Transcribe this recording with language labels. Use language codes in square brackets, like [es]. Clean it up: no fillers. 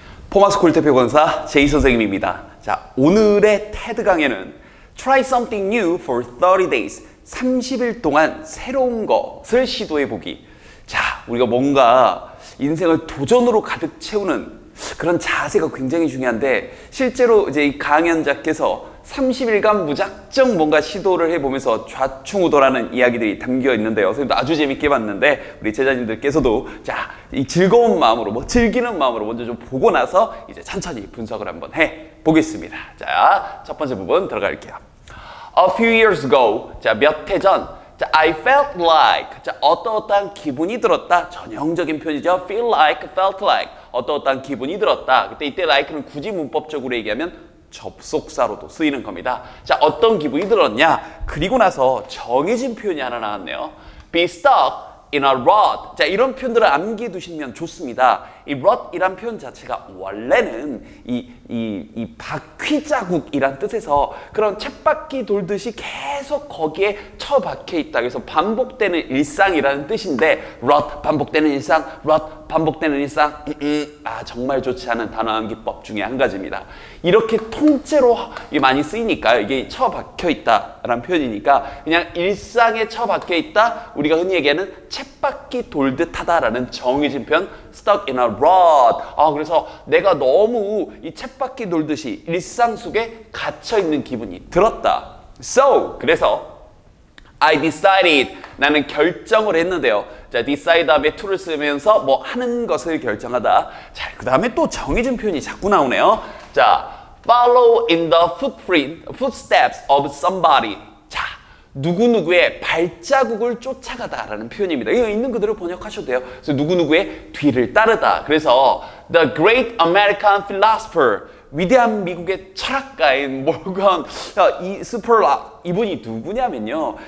[ko] 포마스쿨 대표 권사 제이 선생님입니다. 자, 오늘의 테드 강의는 [en] Try something new for 30 days. [ko] 30일 동안 새로운 것을 시도해보기. 자, 우리가 뭔가 인생을 도전으로 가득 채우는 그런 자세가 굉장히 중요한데, 실제로 이제 이 강연자께서 30일간 무작정 뭔가 시도를 해보면서 좌충우돌하는 이야기들이 담겨 있는데요. 선생님도 아주 재밌게 봤는데, 우리 제자님들께서도 자, 이 즐거운 마음으로, 뭐 즐기는 마음으로 먼저 좀 보고 나서 이제 천천히 분석을 한번 해 보겠습니다. 자, 첫 번째 부분 들어갈게요. [en] A few years ago, [ko] 자, 몇 해 전, 자, [en] I felt like, [ko] 자, 어떠어떠한 기분이 들었다. 전형적인 표현이죠. [en] Feel like, felt like, [ko] 어떠어떠한 기분이 들었다. 그때 이때 like는 굳이 문법적으로 얘기하면 접속사로도 쓰이는 겁니다. 자, 어떤 기분이 들었냐? 그리고 나서 정해진 표현이 하나 나왔네요. [en] Be stuck in a rut. [ko] 자, 이런 표현들을 암기해두시면 좋습니다. 이 rut이란 표현 자체가 원래는 이 바퀴자국이란 뜻에서 그런 쳇바퀴 돌듯이 계속 거기에 처박혀있다. 그래서 반복되는 일상이라는 뜻인데 rut 반복되는 일상, rut 반복되는 일상. 아, 정말 좋지 않은 단어 암기법 중에 한 가지입니다. 이렇게 통째로 많이 쓰이니까 이게 처박혀있다라는 표현이니까 그냥 일상에 처박혀있다. 우리가 흔히 얘기하는 쳇바퀴 돌듯하다라는 정해진 표현 [en] stuck in a rut. [ko] 아, 그래서 내가 너무 이 쳇바퀴 돌듯이 일상 속에 갇혀있는 기분이 들었다. [en] So, [ko] 그래서 [en] I decided. [ko] 나는 결정을 했는데요. 자, decide 다음에 to를 쓰면서 뭐 하는 것을 결정하다. 자, 그 다음에 또 정해진 표현이 자꾸 나오네요. [en] 자, follow in the footsteps of somebody. [ko] 자, 누구누구의 발자국을 쫓아가다 라는 표현입니다. 이거 있는 그대로 번역하셔도 돼요. 그래서 누구누구의 뒤를 따르다. 그래서 [en] the great American philosopher. [ko] 위대한 미국의 철학가인 몰건 이 스펄라 이분이 누구냐면요.